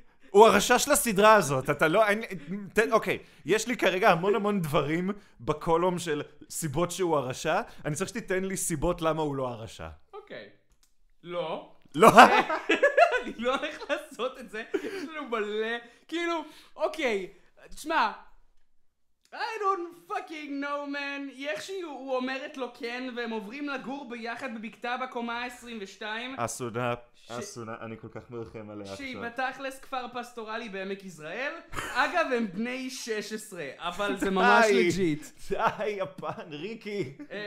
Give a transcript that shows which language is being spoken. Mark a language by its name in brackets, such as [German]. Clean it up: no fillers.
[Hebrew] הוא הרשע של הסדרה הזאת, אתה לא... אוקיי, יש לי כרגע המון המון דברים בקולום של סיבות שהוא הרשע, אני צריך שתיתן לי סיבות למה הוא לא הרשע. אוקיי. לא. לא? אני לא הולך לעשות את זה, יש לנו מלא... כאילו, אוקיי, תשמע, [English] I don't fucking know, man. [Hebrew] איכשהו הוא אומרת לו כן, והם עוברים לגור ביחד בבקתה בקומה 22. אסונה, אסונה, אני כל כך מרחם עליה עכשיו. שהיא בתכלס כפר פסטורלי בעמק ישראל. אגב, הם בני 16, אבל זה ממש לג'יט. די, יפן, ריקי.